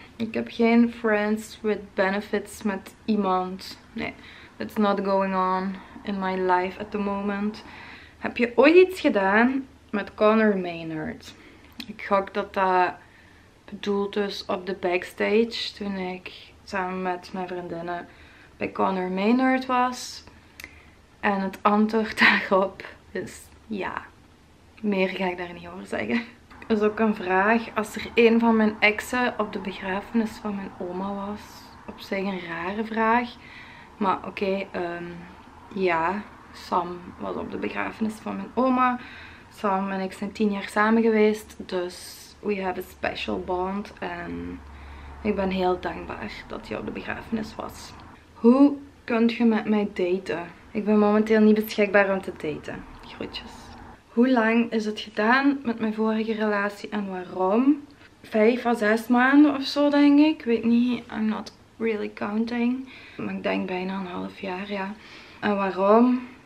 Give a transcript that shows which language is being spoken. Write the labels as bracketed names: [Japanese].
[Dutch] Ik heb geen friends with benefits met iemand. Nee. [English] That's not going on in my life at the moment. [Dutch] Heb je ooit iets gedaan met Connor Maynard? Ik gok dat dat bedoeld is op de backstage toen ik samen met mijn vriendinnen bij Connor Maynard was. En het antwoord daarop is ja. Meer ga ik daar niet over zeggen. Er is ook een vraag. Als er een van mijn exen op de begrafenis van mijn oma was. Op zich een rare vraag. Maar oké, ja. Sam was op de begrafenis van mijn oma. Sam en ik zijn 10 jaar samen geweest. Dus [English] we have a special bond. [Dutch] En ik ben heel dankbaar dat hij op de begrafenis was. Hoe kunt je met mij daten? Ik ben momenteel niet beschikbaar om te daten. Groetjes. Hoe lang is het gedaan met mijn vorige relatie en waarom? 5 à 6 maanden of zo, denk ik. Weet niet, [English] I'm not really counting. [Dutch] Maar ik denk bijna een half jaar, ja. En waarom?